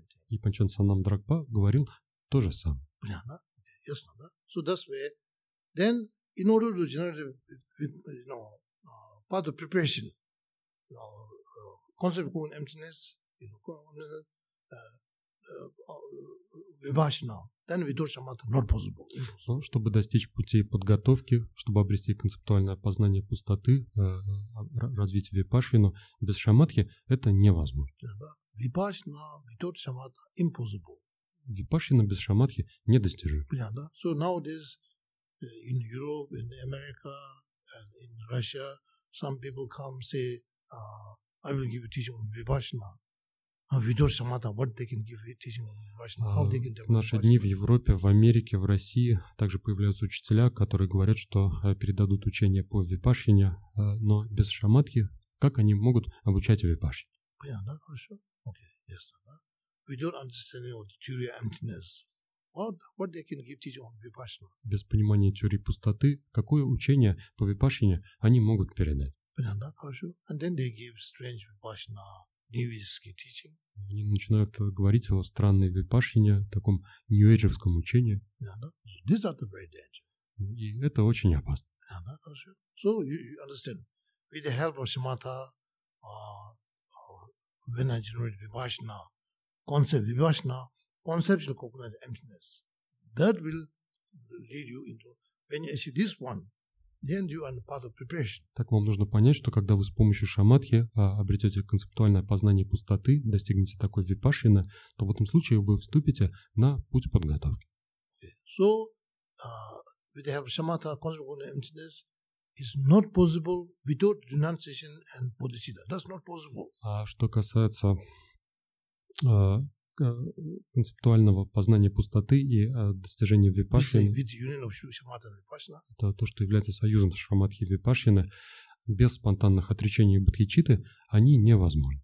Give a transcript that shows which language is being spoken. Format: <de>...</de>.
<ru>И Панчен Санам Драгпа говорил то же самое. Понятно? Ясно, да?</ru> <en>So that's where, then, in order to generate, you know, part of preparation, you know, concept of emptiness, you know, Vipassana, then without shamatha not possible.</en> <ru>Ну, чтобы достичь пути подготовки, чтобы обрести концептуальное познание пустоты, развить випашвину, без шамадхи это невозможно. Випашвина без шамадхи недостижима. Да?</ru> <en>So nowadays in Europe, in America, and in Russia, some people come say, I will give you teaching on Vipassana.</en> <ru>В наши дни в Европе, в Америке, в России также появляются учителя, которые говорят, что передадут учение по випашине, но без шамадхи, как они могут обучать випашине? Понятно, да? Хорошо.</ru> <en>Okay. Yes,</en> <ru>да?</ru> <en>We don't understand the theory of emptiness. What they can give teaching on vipassana?</en> <ru>Без понимания теории пустоты, какое учение по випашине они могут передать? Понятно, да? Хорошо.</ru> <en>And then they give strange vipassana.</en> <ru>Нью-эйджевские</ru> <en>teaching.</en> <ru>Они начинают говорить о странной випашине, таком нью-эйджевском учении.</ru> <en>These are the very dangerous.</en> <ru>И это очень опасно.</ru> <en>Yeah, no, I'm sure. So you understand, with the help of shamatha, when I generate vipassana, concept vipassana, conceptual cognizant emptiness, that will lead you into, when you see this one, then you are part of preparation.</en> <ru>Так вам нужно понять, что когда вы с помощью шамадхи обретете концептуальное познание пустоты, достигнете такой випашины, то в этом случае вы вступите на путь подготовки.</ru> <en>Okay. So, with the help of shamatha, concept of emptiness is not possible without renunciation and bodhicitta. That's not possible.</en> <ru>А что касается концептуального познания пустоты и достижения випассаны, это то, что является союзом шамадхи и випассаны, без спонтанных отречений и бодхичитты они невозможны.</ru>